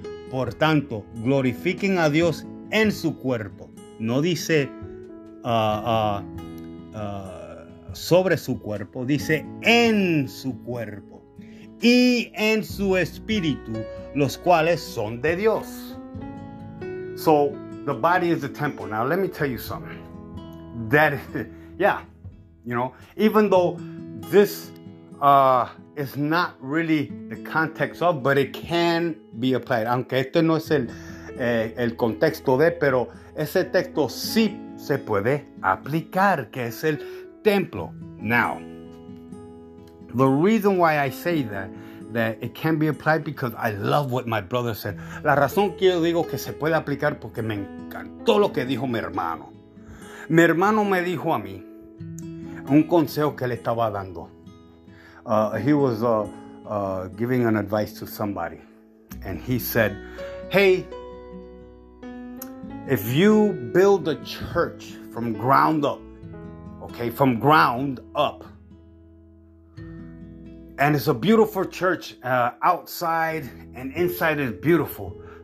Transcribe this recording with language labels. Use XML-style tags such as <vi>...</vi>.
<es>Por tanto, glorifiquen a Dios en su cuerpo. No dice sobre su cuerpo, dice en su cuerpo. Y en su espíritu, los cuales son de Dios.</es> <en>So, the body is the temple. Now, let me tell you something. That, yeah, you know, even though this is not really the context of, but it can be applied.</en> <es>Aunque este no es el contexto de, pero ese texto sí se puede aplicar, que es el templo.</es> <en>Now, the reason why I say that it can be applied because I love what my brother said.</en> <es>La razón que yo digo que se puede aplicar porque me encantó lo que dijo mi hermano. Mi hermano me dijo a mí un consejo que le estaba dando.</es> <en>He was giving an advice to somebody. And he said, hey, if you build a church from ground up, okay, from ground up, And it's a beautiful church outside and inside is beautiful.</en>